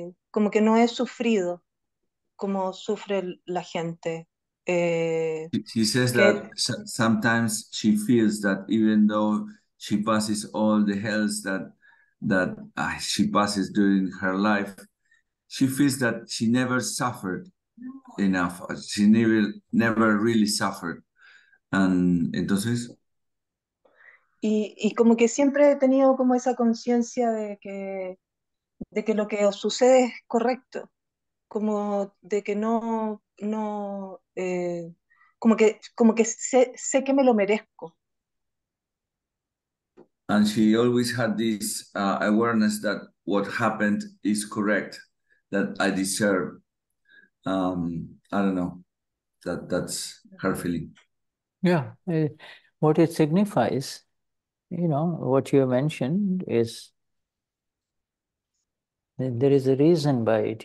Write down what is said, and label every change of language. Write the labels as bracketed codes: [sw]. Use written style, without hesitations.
[es] Como que no he sufrido como sufre la gente. [en] She says that [es] Que [en] sometimes she feels that even though she passes all the hells that she passes during her life, she feels that she never suffered enough. She never really suffered. And [es] entonces. Y como que siempre he tenido como esa conciencia de que lo que os sucede es correcto, como de que no como que sé que me lo merezco. [en] And she always had this awareness that what happened is correct, that I deserve. I don't know. That's her feeling. Yeah, what it signifies, what you mentioned is there is a reason by it.